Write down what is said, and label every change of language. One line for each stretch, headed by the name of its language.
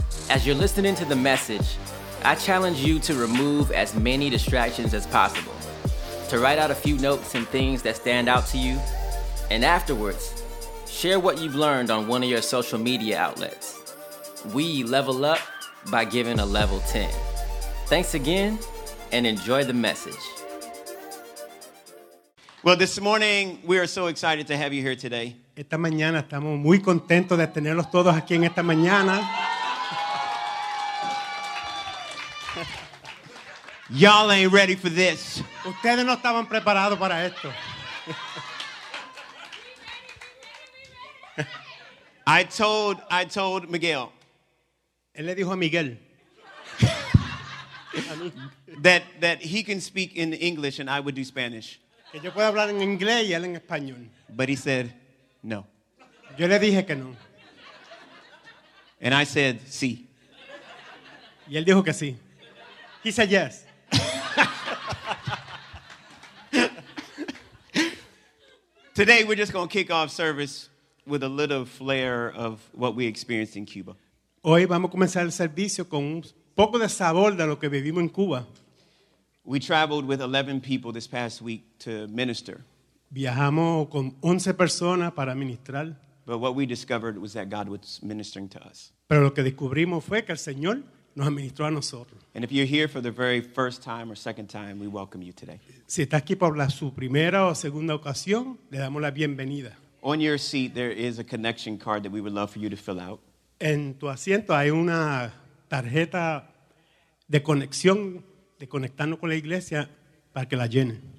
English: As you're listening to the message, I challenge you to remove as many distractions as possible, to write out a few notes and things that stand out to you, and afterwards, share what you've learned on one of your social media outlets. We level up by giving a level 10. Thanks again, and enjoy the message. Well, this morning, we are so excited to have you here today.
Spanish: Esta mañana estamos muy contentos de tenerlos todos aquí en esta mañana.
English: Y'all ain't ready for this.
Spanish: Ustedes no estaban preparados para esto.
English: I told Miguel.
Spanish: Él le dijo a Miguel.
English: that he can speak in English and I would do Spanish.
Spanish: Que yo puedo hablar en inglés y él en español.
English: But he said, no.
Spanish: Yo le dije que no.
English: And I said, sí.
Spanish: Y él dijo que sí.
English: He said, yes. Today we're just going to kick off service with a little flair of what we experienced in Cuba.
Spanish: Hoy vamos a comenzar el servicio con un poco de sabor de lo que vivimos en Cuba.
English: We traveled with 11 people this past week to minister.
Spanish: Viajamos con 11 personas para ministrar.
English: But what we discovered was that God was ministering to us.
Spanish: Pero lo que descubrimos fue que el Señor nos administró a nosotros.
English: And if you're here for the very first time or second time, we welcome you today.
Spanish: Si estás aquí por la su primera o segunda ocasión, le damos la bienvenida.
English: On your seat, there is a connection card that we would love for you to fill out.
Spanish: En tu asiento hay una tarjeta de conexión. De conectarnos con la iglesia para que la llenen.